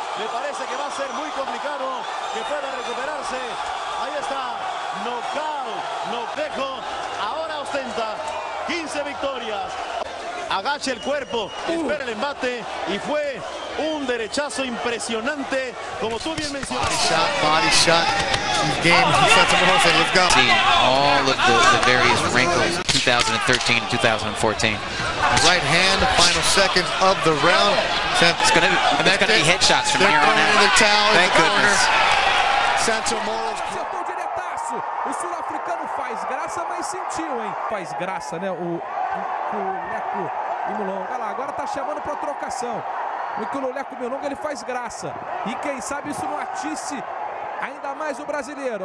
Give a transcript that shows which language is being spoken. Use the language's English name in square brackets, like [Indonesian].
[Spanish] Me parece que va a ser muy complicado que pueda recuperarse. Ahí está, knockout, noquejo. Ahora ostenta 15 victorias. Agache el cuerpo, espera el embate y fue un derechazo impresionante, como tú bien mencionaste. [English] Body shot, body shot. Game, he sets him off and let's go. Seeing all of the various wrinkles, 2013 and 2014. Right hand, final seconds of the round. It's gonna be hit shots from here on out. The towel, thank goodness. Santo Moros. [Portuguese] O sul-africano faz graça, mas sentiu, hein? Faz graça, né? O Leco e Mulongo. Olha lá, agora tá chamando pra trocação. O Leco e Mulongo, ele faz graça. E quem sabe isso não atisse ainda mais o brasileiro.